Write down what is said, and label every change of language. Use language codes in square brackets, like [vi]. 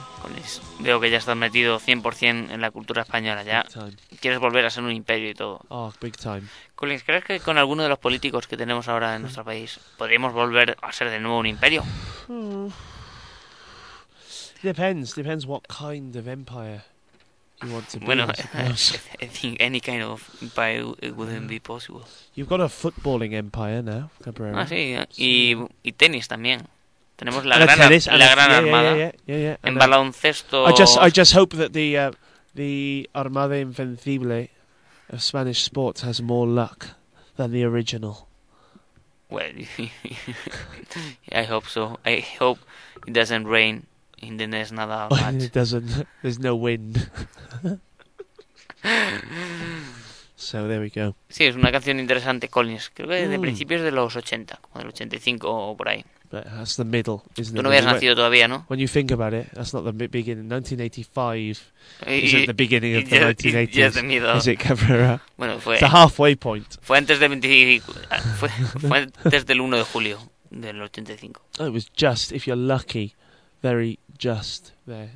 [es] Conis, veo que ya estás metido 100% en la cultura española ya. Quieres volver a ser un imperio y todo. [en] Oh, big time. [es] Conis, ¿crees que con alguno de los políticos que tenemos ahora en nuestro país podríamos volver a ser de nuevo un imperio? [en] Depends what kind of empire you want to be. [es] Bueno, [en] I think any kind of empire wouldn't be possible. You've got a footballing empire now, Cabrera. [es] Ah, sí, y tenis también. Tenemos la gran armada. En baloncesto. [en] I just hope that the Armada Invencible of Spanish sports has more luck than the original. Well, I hope so. I hope it doesn't rain. In the next nada match. It doesn't. There's no wind. So there we go. [es] Sí, es una canción interesante, Collins. Creo que desde principios de los 80, como del 85 o por ahí. [en] But that's the middle, isn't it? [es] Tú no habías nacido todavía, ¿no? [en] When you think about it, that's not the beginning. 1985 isn't the beginning of the 1980s. [es] Ya miedo. [en] Is it, Cabrera? [es] Bueno, fue. [en] It's a halfway point. [es] Fue antes del 1 de julio del 85. [en] Oh, it was just, if you're lucky, very just there.